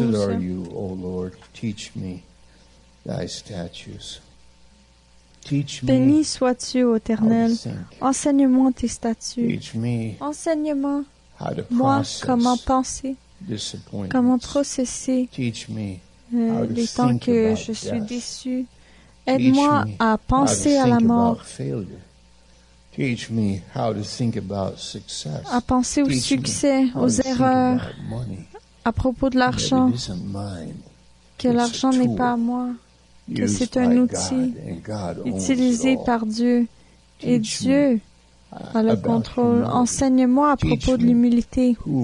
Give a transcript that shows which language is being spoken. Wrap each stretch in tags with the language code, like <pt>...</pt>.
<en>Blessed are you, O Lord, teach me thy statutes.</en> <fr>Béni sois-tu, ô Éternel, enseigne-moi tes statuts. Enseigne-moi comment penser, comment processer les temps que je suis déçu. Aide-moi à penser à la mort.</fr> <en>Teach me how to think about success.</en> <fr>À penser au succès, aux erreurs, à propos de l'argent. Que l'argent n'est pas à moi. Que c'est un outil utilisé par Dieu. Et Dieu a le contrôle. Enseigne-moi à propos de l'humilité.</fr>